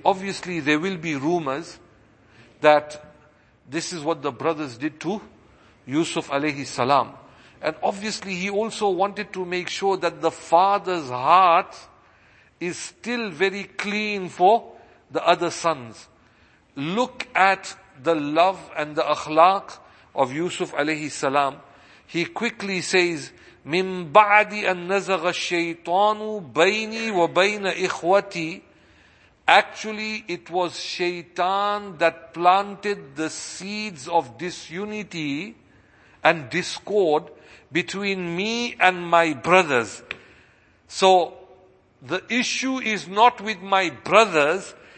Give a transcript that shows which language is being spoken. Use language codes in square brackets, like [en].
[en] Obviously, there will be rumors that this is what the brothers did to Yusuf alayhi salam. And obviously, he also wanted to make sure that the father's heart is still very clean for the other sons. Look at the love and the akhlaq of Yusuf alayhi salam. He quickly says, [ar] مِن بَعْدِ أَن نَزَغَ الشَّيْطَانُ بَيْنِي وَبَيْنَ إِخْوَتِي. [en] Actually, it was shaitan that planted the seeds of disunity and discord between me and my brothers. So, the issue is not with my brothers.